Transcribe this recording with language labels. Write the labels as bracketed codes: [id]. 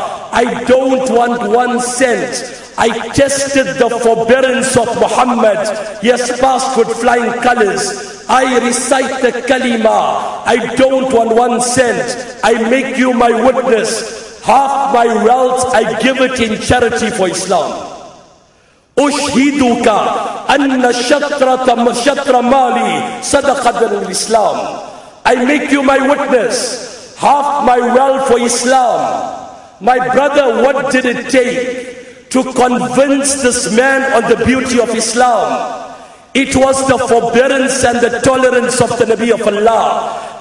[en] I don't want 1 cent. I tested the forbearance of Muhammad. He has passed with flying colors. I recite the kalima. I don't want 1 cent. I make you my witness. Half my wealth, I give it in charity for Islam. [ar] أُشْهِدُكَ أَنَّ شَطْرَةَ مَشَطْرَ مَالِي صَدَقَةً الْإِسْلَامِ. [en] I make you my witness, half my wealth for Islam. My brother, what did it take to convince this man on the beauty of Islam? It was the forbearance and the tolerance of the Nabi of Allah.